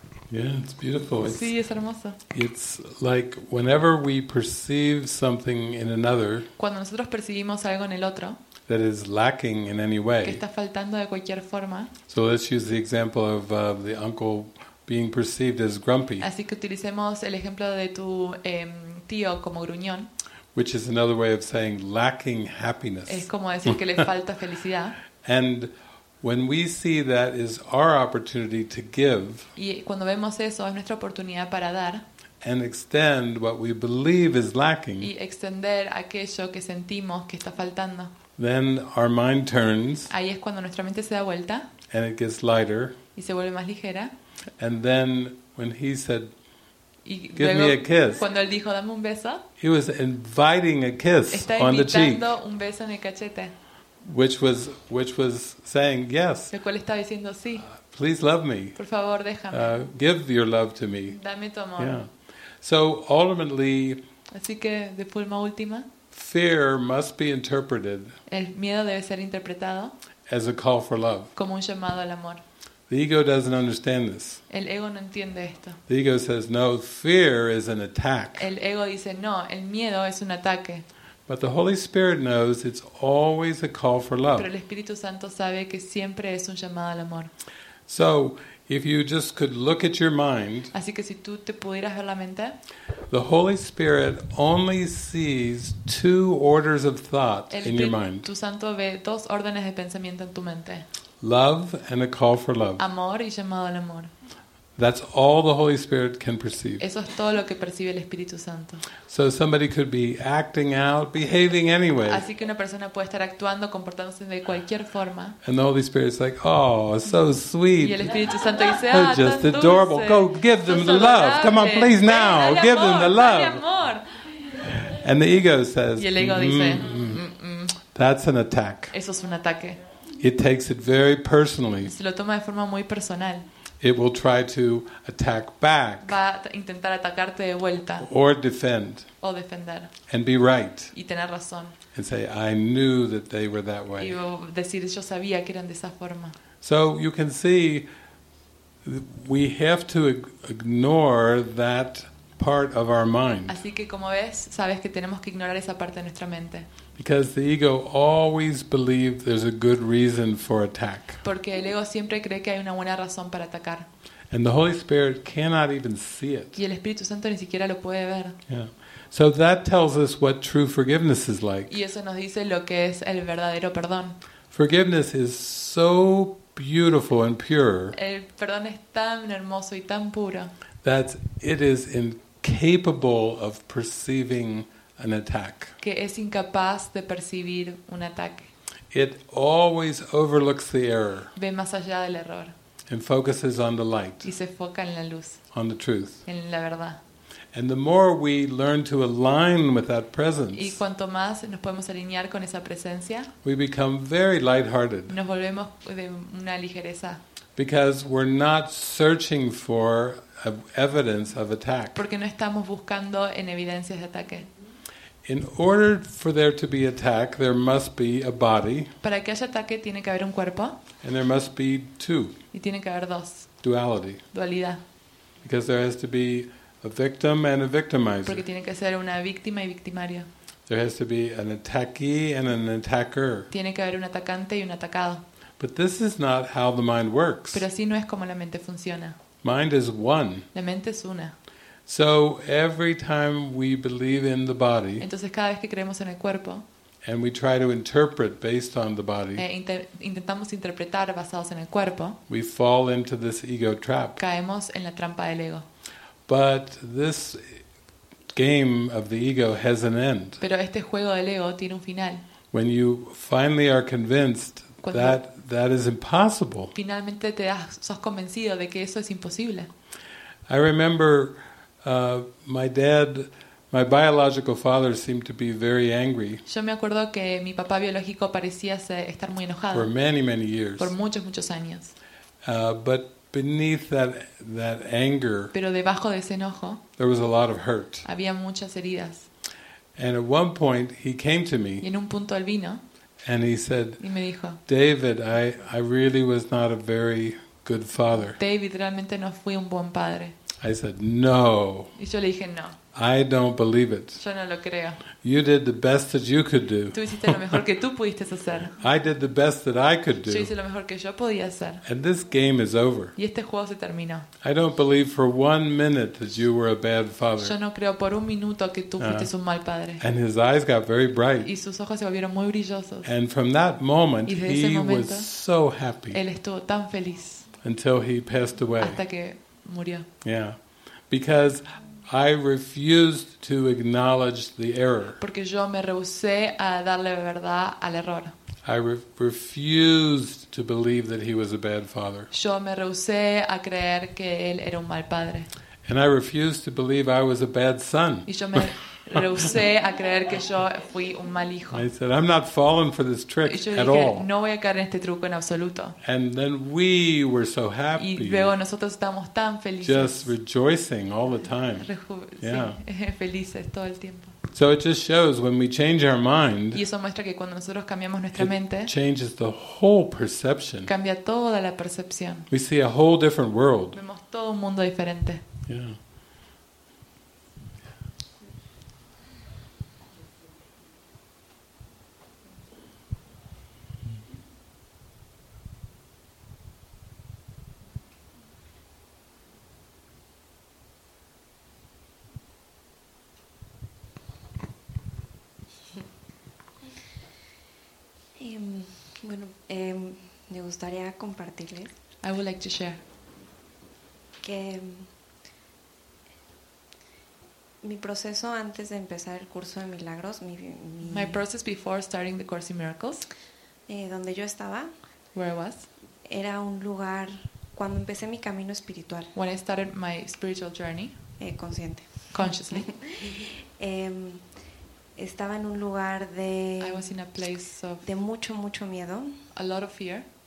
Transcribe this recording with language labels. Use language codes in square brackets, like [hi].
[en] Yeah, it's beautiful. It's, [es] sí, es hermoso. [en] It's like whenever we perceive something in another, [es] cuando nosotros percibimos algo en el otro, [en] that is lacking in any way, [es] que está faltando de cualquier forma. [en] So let's use the example of the uncle being perceived as grumpy. [es] Así que utilicemos el ejemplo de tu tío como gruñón. [en] Which is another way of saying lacking happiness. [es] Es como decir que le falta felicidad. [en] And when we see that is our opportunity to give, [es] y cuando vemos eso es nuestra oportunidad para dar, [en] and extend what we believe is lacking, [es] y extender aquello que sentimos que está faltando, [en] then our mind turns, [es] ahí es cuando nuestra mente se da vuelta, [en] and it gets lighter, [es] y se vuelve más ligera, [en] and then when he said, [es] y [en] give [es] luego, [en] me a kiss, [es] cuando él dijo dame un beso, [en] he was inviting a kiss [es] está [en] on the cheek, [es] invitando un beso en el cachete. [en] Which was saying yes. [es] El cual estaba diciendo sí. [en] Please love me. [es] Por favor, déjame. [en] Give your love to me. [es] Dame tu amor. [en] Yeah. So ultimately, [es] así que de forma última, [en] fear must be interpreted. [es] El miedo debe ser interpretado [en] as a call for love. [es] Como un llamado al amor. [en] The ego doesn't understand this. [es] El ego no entiende esto. [en] The ego says no. Fear is an attack. [es] El ego dice no. El miedo es un ataque. [en] But the Holy Spirit knows it's always a call for love. [es] Pero el Espíritu Santo sabe que siempre es un llamado al amor. [en] So, if you just could look at your mind, [es] así que si tú te pudieras ver la mente, [en] the Holy Spirit only sees two orders of thought in your mind. [es] El Espíritu Santo ve dos órdenes de pensamiento en tu mente. [en] Love and a call for love. [es] Amor y llamado al amor. [en] That's all the Holy Spirit can perceive. [es] Eso es todo lo que percibe el Espíritu Santo. [en] So somebody could be acting out, behaving anyway. [es] Así que una persona puede estar actuando, comportándose de cualquier forma. [en] And the Holy Spirit's like, oh, so sweet. [es] Y el Espíritu Santo dice, ah, tan dulce. [en] Just adorable. Go give them the love. Come on, please now. [es] Dale amor, [en] give them the love. [es] Dale amor. [en] And the ego says, [es] y el ego dice, [en] that's an attack. [es] Eso es un ataque. [en] It takes it very personally. [es] Se lo toma de forma muy personal. [en] It will try to attack back. [es] Va a intentar atacarte de vuelta. [en] Or defend. [es] O defender. [en] And be right. [es] Y tener razón. [en] And say, I knew that they were that way. [es] Y decir, yo sabía que eran de esa forma. [en] So you can see, we have to ignore that part of our mind. [es] Así que como ves, sabes que tenemos que ignorar esa parte de nuestra mente. [en] Because the ego always believes there's a good reason for attack. [es] Porque el ego siempre cree que hay una buena razón para atacar. [en] And the Holy Spirit cannot even see it. [es] Y el Espíritu Santo ni siquiera lo puede ver. [en] Yeah. So that tells us what true forgiveness is like. [es] Y eso nos dice lo que es el verdadero perdón. [en] Forgiveness is so beautiful and pure. [es] El perdón es tan hermoso y tan puro. [en] That it is incapable of perceiving an attack. [es] Que es incapaz de percibir un ataque. [en] It always overlooks the error. [es] Ve más allá del error. [en] And focuses on the light. [es] Y se enfoca en la luz. [en] On the truth. [es] En la verdad. [en] And the more we learn to align with that presence. [es] Y cuanto más nos podemos alinear con esa presencia. [en] We become very lighthearted. [es] Nos volvemos de una ligereza. [en] Because we're not searching for evidence of attack. [es] Porque no estamos buscando en evidencias de ataque. [en] In order for there to be attack, there must be a body. [es] Para que haya ataque tiene que haber un cuerpo. [en] And there must be two. [es] Y tiene que haber dos. [en] Duality. [es] Dualidad. [en] Because there has to be a victim and a victimizer. [es] Porque tiene que ser una víctima y victimario. [en] There has to be an attackee and an attacker. [es] Tiene que haber un atacante y un atacado. [en] But this is not how the mind works. [es] Pero así no es como la mente funciona. [en] Mind is one. [es] La mente es una. [en] So every time we believe in the body, [es] entonces cada vez que creemos en el cuerpo, [en] and we try to interpret based on the body, [es] intentamos interpretar basados en el cuerpo, [en] we fall into this ego trap. [es] Caemos en la trampa del ego. [en] But this game of the ego has an end. [es] Pero este juego del ego tiene un final. [en] When you finally are convinced that is impossible, [es] finalmente te das, sos convencido de que eso es imposible. [en] I remember my biological father seemed to be very angry. [es] Yo me acuerdo que mi papá biológico parecía estar muy enojado. [en] For many, many years. [es] Por muchos años. [en] But beneath that anger, [es] pero debajo de ese enojo, [en] there was a lot of hurt. [es] Había muchas heridas. [en] And at one point he came to me. [es] Y en un punto él vino. [en] And he said, [es] y me dijo, [en] David, I really was not a very good father. [es] David, realmente no fui un buen padre. [en] I said, no. [es] Y yo le dije, no. [en] I don't believe it. [es] Yo no lo creo. [en] You did the best that you could do. [es] Tú hiciste lo mejor que tú pudiste hacer. [en] I did the best that I could do. [es] Yo hice lo mejor que yo podía hacer. [en] And this game is over. [es] Y este juego se terminó. [en] I don't believe for one minute that you were a bad father. [es] Yo no creo por un minuto que tú fuiste un mal padre. [en] And his eyes got very bright. [es] Y sus ojos se volvieron muy brillosos. [en] And from that moment, he was so happy. [es] Él estuvo tan feliz. [en] Until he passed away. [es] Hasta que murió. [en] Yeah. Because I refused to acknowledge the error. [es] Porque yo me rehusé a darle verdad al error. [en] I refused to believe that he was a bad father. [es] Yo me rehusé a creer que él era un mal padre. [en] And I refused to believe I was a bad son. [es] Y yo me rehusé a creer que yo fui un mal hijo. [en] I said, I'm not falling for this trick [es] y yo dije, [en] at all. [es] No voy a caer en este truco en absoluto. [en] And then we were so happy. [es] Y luego nosotros estábamos tan felices. [en] Just rejoicing all the time. [es] Felices todo el tiempo. [en] So it just shows when we change our mind. [es] Y eso muestra que cuando nosotros cambiamos nuestra mente, [en] it changes the whole perception. [es] Cambia toda la percepción. [en] We see a whole different world. [es] Vemos todo un mundo diferente. [en] Yeah. [es] Bueno, me gustaría compartirles. [en] I would like to share. [es] Que mi proceso antes de empezar el curso de milagros, [en] my process before starting the course in miracles, [es] donde yo estaba, [en] where I was, [es] era un lugar cuando empecé mi camino espiritual. [en] When I started my spiritual journey, [es] consciente. [en] Consciously. [es] Estaba en un lugar de [en] I was in a place of [es] de mucho mucho miedo, [en] a lot of fear,